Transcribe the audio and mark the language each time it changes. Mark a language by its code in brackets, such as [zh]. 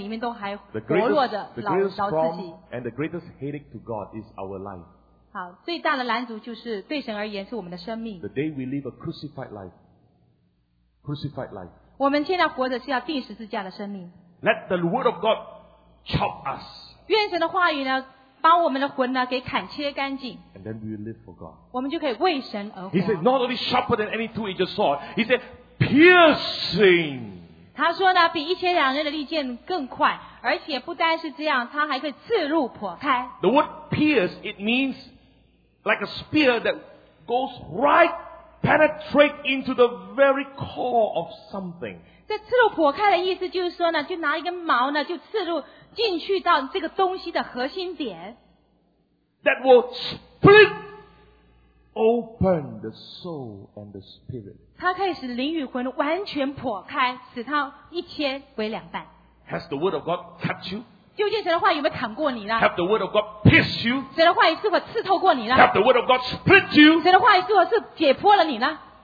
[zh] 好，我们的问题最大的问题是说我们现在里面都还活弱着，老着自己。 [en] And the greatest headache to God is our life. [zh] 好，最大的拦阻就是对神而言是我们的生命。 [en] The day we live a crucified life, crucified life. [zh] 我们现在活着是要钉十字架的生命。 [en] Let the Word of God chop us. [zh] 愿神的话语呢，把我们的魂呢给砍切干净。 [en] And then we live for God. [zh] 我们就可以为神而活。 [en] He said, not only sharper than any two-edged sword, He said, piercing. [zh] 他说呢，比一千两刃的利剑更快，而且不单是这样，他还可以刺入剖开。 [en] The word pierce, it means like a spear that goes right, penetrate into the very core of something. [zh] 这刺入剖开的意思就是说呢，就拿一根矛呢，就刺入。进去到这个东西的核心点, [en] that will split open the soul and the spirit. [zh] 它可以使灵与魂完全剖开, 使它一切为两半。 [en] Has the Word of God cut you? [zh] 究竟神的话有没有砍过你了? [en] Have the Word of God pierced you? [zh] 神的话语是否刺透过你了? [en] Have the Word of God split you? [zh] 神的话语是否是解剖了你了?